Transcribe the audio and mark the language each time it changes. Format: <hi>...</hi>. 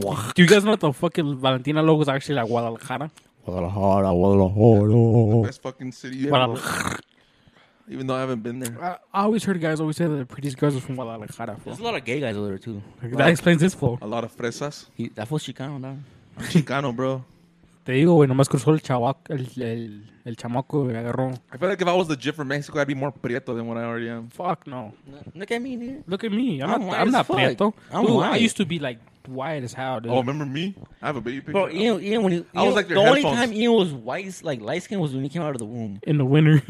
<en>Do you guys know what the fucking Valentina logo is actually like Guadalajara? Guadalajara, Guadalajara. The best fucking city ever. Guadalajara. Even though I haven't been there. I always heard guys always say that the prettiest girls are from Guadalajara. Fool. There's a lot of gay guys over there, too. That explains this, fool. A lot of fresas. That fool's Chicano, man. Chicano, bro.</en> <es>Te digo, güey, nomás cruzó el chavaco, el chamaco, me agarró.</es> <en>I feel like if I was legit from Mexico, I'd be more prieto than what I already am. Fuck no. Look at me, dude. Look at me. I'm not prieto. I'm dude, white. I used to be like white as hell, dude. Oh, remember me? I have a baby picture. Bro, Ian, when he, I was like your the only time Ian was white, like light skin, was when he came out of the womb. In the winter.</en>